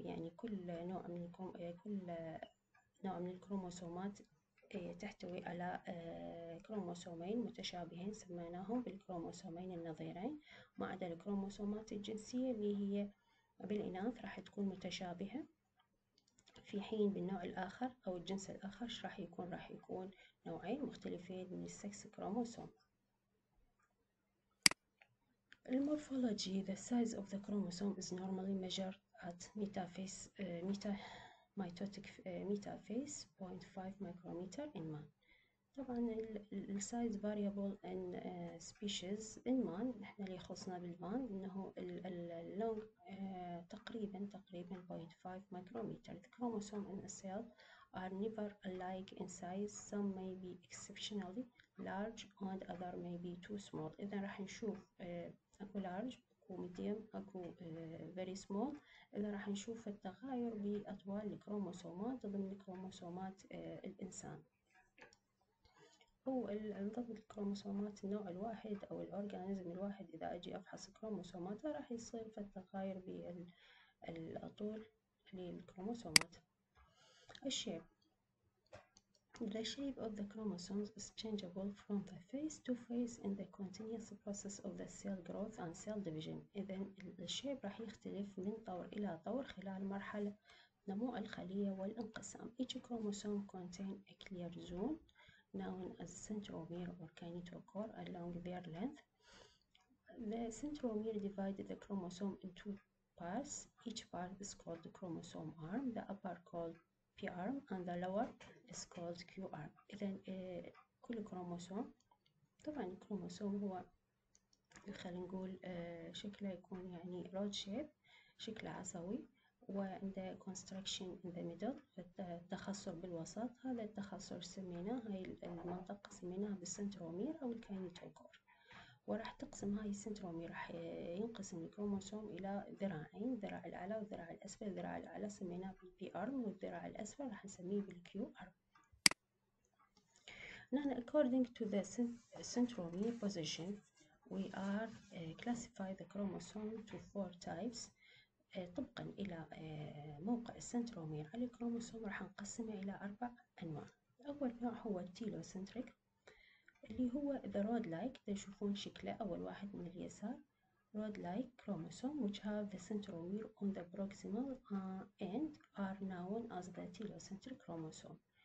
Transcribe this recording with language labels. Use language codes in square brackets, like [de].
[ar] يعني كل نوع من كل نوع من الكروموسومات تحتوي على كروموسومين متشابهين سميناهم بالكروموسومين النظيرين، ما عدا الكروموسومات الجنسية اللي هي بالإناث راح تكون متشابهة، في حين بالنوع الآخر أو الجنس الآخر راح يكون نوعين مختلفين من [en] السكس كروموسوم. [ar] المورفولوجي. [en] The size of the chromosome is normally measured at mitotic metaphase 0.5 micrometer in man. [ar] طبعا الـ [en] size variable in species in man، [ar] نحن اللي خصنا بالمان انه الـ long تقريبا 0.5 micrometer. [en] The chromosome in a cell are never alike in size. Some may be exceptionally large and other may be too small. [ar] اذا راح نشوف اكو [en] large [ar] وميديم اكو [en] very small, [ar] اللي راح نشوف التغاير باطوال الكروموسومات ضمن كروموسومات الانسان. هو ضبط الكروموسومات النوع الواحد او الاورجانيزم الواحد، اذا اجي افحص كروموسومات راح يصير في التغاير بالاطول للكروموسومات. [en] الشيب، the shape of the chromosomes is changeable from the phase to phase in the continuous process of the cell growth and cell division. [ar] اذا الشيب راح يختلف من طور الى طور خلال مرحله نمو الخليه والانقسام. [en] each chromosome contains a clear zone known as centromere or kinetochore along their length. The centromere divides the chromosome into parts. Each part is called the chromosome arm. The upper called P arm and the lower is called Q arm. [ar] إذا كل كروموسوم، طبعا الكروموسوم هو خلينا نقول شكله يكون يعني [en] rod shape، [ar] شكله عصوي. وعند [en] construction in the middle، [ar] التخصر بالوسط، هذا التخصر سميناه، هاي المنطقة سميناها بالسنترومير أو الكاينيتوكور. وراح تقسم هاي السنترومير، راح ينقسم الكروموسوم إلى ذراعين، ذراع الأعلى وذراع الأسفل. ذراع الأعلى سميناه بالبي أرم، والذراع الأسفل راح نسميه بالكيو أرم. نحن [en] according to the centromere position we are classify the chromosome to four types. [ar] طبقا إلى موقع السنترومير على الكروموسوم راح نقسمه إلى أربع أنواع. أول نوع هو التيلوسنتريك، اللي هو [en] the rod like، [ar] تشوفون شكله أول واحد من اليسار [en] rod like chromosome which have the centromere on the proximal end are known as the telocentric chromosome.